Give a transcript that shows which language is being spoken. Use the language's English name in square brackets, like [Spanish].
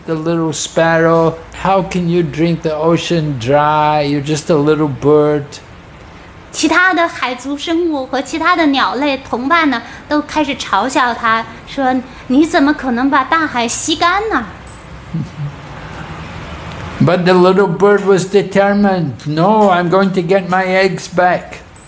[English] The little sparrow, how can you drink the ocean dry? You're just a little bird. [Chinese] 其他的海族生物和其他的鸟类同伴呢，都开始嘲笑他，说你怎么可能把大海吸干呢？ [English] But the little bird was determined. No, I'm going to get my eggs back.